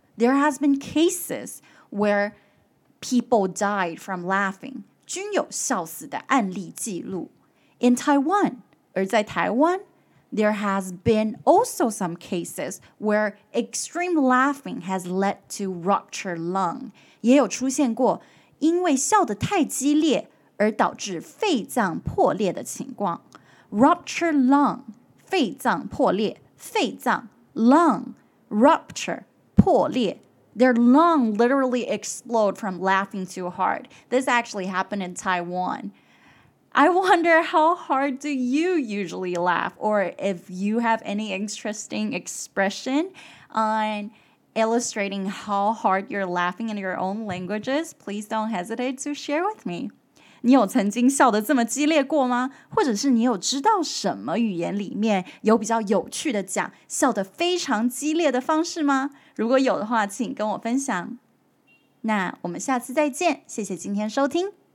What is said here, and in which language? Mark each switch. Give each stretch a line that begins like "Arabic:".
English: There has been cases where people died from laughing.
Chinese: 均有笑死的案例记录。
English: In Taiwan,
Chinese: 而在台湾
English: There has been also some cases where extreme laughing has led to ruptured lung.
Chinese: 也有出现过因为笑得太激烈而导致肺脏破裂的情况。
English: Ruptured lung,
Chinese: 肺脏破裂,肺脏,
English: lung, rupture,
Chinese: 破裂。
English: Their lung literally explode from laughing too hard. This actually happened in Taiwan. I wonder how hard do you usually laugh or if you have any interesting expression on illustrating how hard you're laughing in your own languages, please don't hesitate to share with me.
Chinese: 你有曾经笑得这么激烈过吗？或者是你有知道什么语言里面有比较有趣的讲笑得非常激烈的方式吗？如果有的话，请跟我分享。那我们下次再见，谢谢今天收听。